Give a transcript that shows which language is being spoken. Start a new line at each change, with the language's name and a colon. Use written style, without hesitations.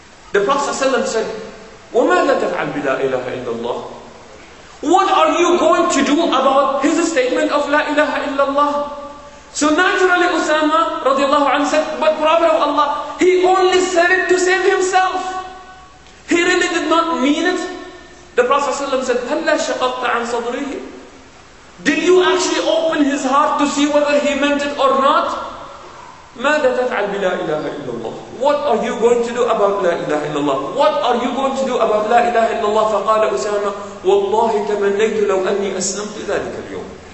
English: The Prophet sallallahu alayhi wa sallam said,
Arabic: وَمَاذَا تَفْعَلْ بِلَا إِلَهَ إِلَّا اللَّهِ.
English: What are you going to do about his statement of La ilaha illallah? So naturally Usama radiallahu anhu said, but Prophet of Allah, he only said it to save himself. He really did not mean it. The Prophet ﷺ said,
Arabic: هَلَّا شَقَطْتَ عَنْ صَدْرِهِ.
English: Did you actually open his heart to see whether he meant it or not?
Arabic: مَاذَا تَفْعَلْ بِلَا إِلَهَ إِلَّا اللَّهِ.
English: What are you going to do about
Arabic: لا إله إلا الله?
English: What are you going to do about لا إله إلا الله?
Arabic: فقال أسامة, وَاللَّهِ تَمَنَّيْتُ لَوْ أَنِّي أَسْلَمْتُ ذَلِكَ الْيَوْمِ.